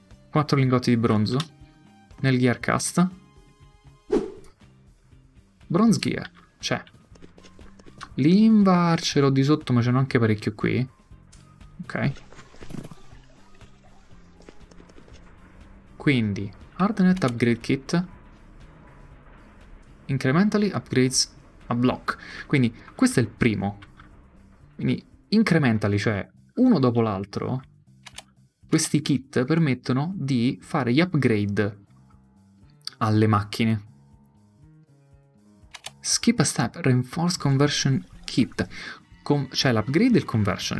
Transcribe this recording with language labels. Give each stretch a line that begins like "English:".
Italian: 4 lingotti di bronzo nel gear cast. Bronze gear, c'è. L'invar ce l'ho di sotto, ma ce n'ho anche parecchio qui. Ok. Quindi,
English: Hardened Upgrade Kit, Incrementally Upgrades a Block.
Italian: Quindi, questo è il primo. Quindi, Incrementally, cioè uno dopo l'altro, questi kit permettono di fare gli upgrade alle macchine.
English: Skip a Step, Reinforce Conversion Kit.
Italian: Cioè, l'upgrade e il conversion.